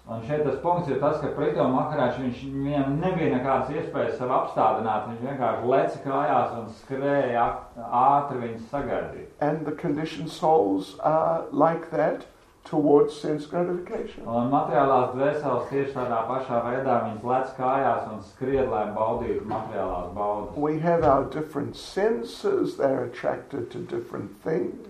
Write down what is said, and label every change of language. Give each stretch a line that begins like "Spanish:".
Latvian: Un šeit tas punkts ir tas, ka Prithu Maharaj, viņam nebija nekādas iespējas sev apstādināt, viņš vienkārši leca kājās un skrēja ātri viņu sagaidīt.
English: And the conditioned souls are like that towards sense gratification.
Latvian: Un materiālās dvēseles tieši tādā pašā veidā, viņas lec kājās un skried, lai baudītu materiālās baudas.
English: We have our different senses, they are attracted to different things.